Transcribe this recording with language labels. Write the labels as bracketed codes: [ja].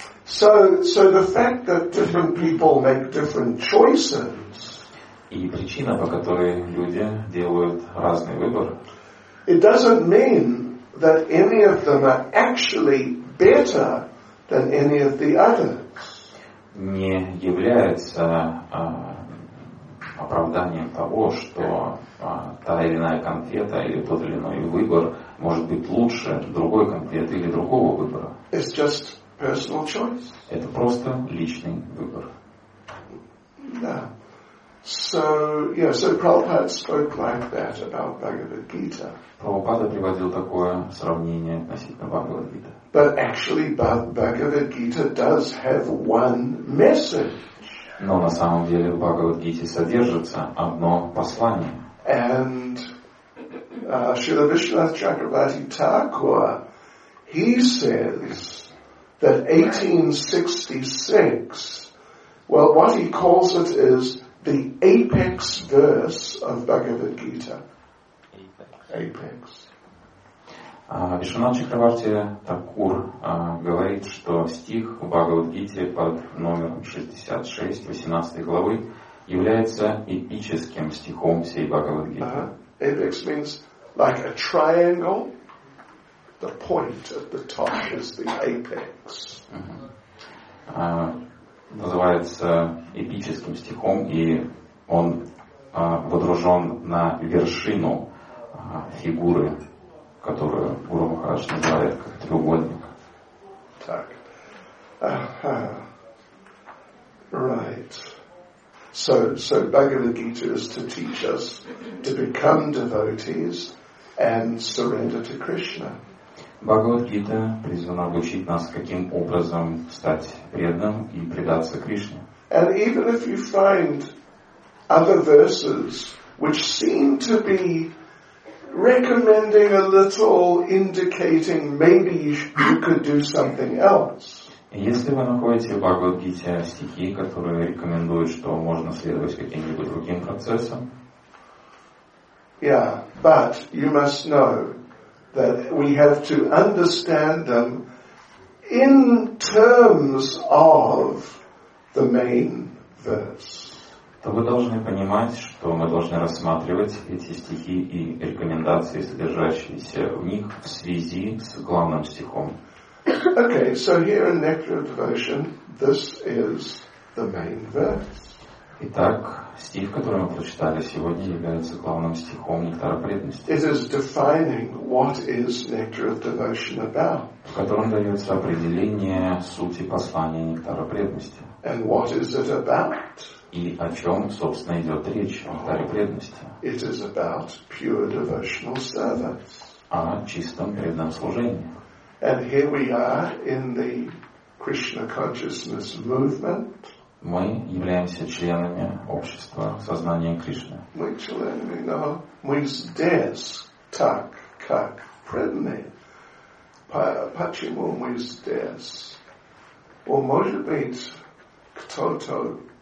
[en] So the fact that different people make different choices. [ru] И причина, по которой люди делают разный выбор. [en] It doesn't mean that any of them are actually better than any of the others. [ru] Не является оправданием того, что та или иная конфета или тот или иной выбор может быть лучше другой конфеты или другого выбора. [en] It's just personal choice. [ru] Это просто личный выбор. Да. [en] So Prabhupada spoke like that about Bhagavad Gita. [ru] Прабхупада приводил такое сравнение относительно Бхагавад Гиты. [en] But actually, Bhagavad Gita does have one message. [ru] Но на самом деле в Бхагавад-гите содержится одно послание. [en] And Śrīla Viśvanātha Chakravarti Thakura, he says that 1866, well, what he calls it is the apex verse of Bhagavad Gita. Apex. [ru] Вишванатха Чакраварти Такур говорит, что стих в Бхагавад-гите под номером 66, 18 главы, является эпическим стихом всей Бхагавад-гиты. [en] Apex means like a triangle. The point at the top is the apex. [ru] Называется эпическим стихом, и он водружен на вершину фигуры, которую Гуру Махарадж называет как треугольник. Так. [en] Right. So Bhagavad Gita is to teach us to become devotees and surrender to Krishna. [ru] Бхагавад Гита призвана обучить нас, каким образом стать преданным и предаться Кришне. [en] And even if you find other verses which seem to be recommending a little, indicating maybe you could do something else. [ru] Если вы находите в Бхагавад-гите стихи, которые рекомендуют, что можно следовать каким-либо другим процессам. [en] Yeah, but you must know that we have to understand them in terms of the main verse. [ru] То вы должны понимать, что мы должны рассматривать эти стихи и рекомендации, содержащиеся в них, в связи с главным стихом. [en] Okay, so here in Nectar of Devotion, this is the main verse. [ru] Итак, стих, который мы прочитали сегодня, является главным стихом Нектара Преданности. [en] It is defining what is Nectar of Devotion about. [ru] В котором дается определение сути послания Нектара Преданности. [en] And what is it about? [ru] И о чем, собственно, идет речь о Нектаре Преданности? [en] It is about pure devotional service. [ru] О чистом преданном служении. [en] And here we are in the Krishna consciousness movement. [ru] Мы являемся членами общества сознания Кришны. Мы члены, но мы здесь так, как преданные. Почему мы здесь? Or может быть, кто-то...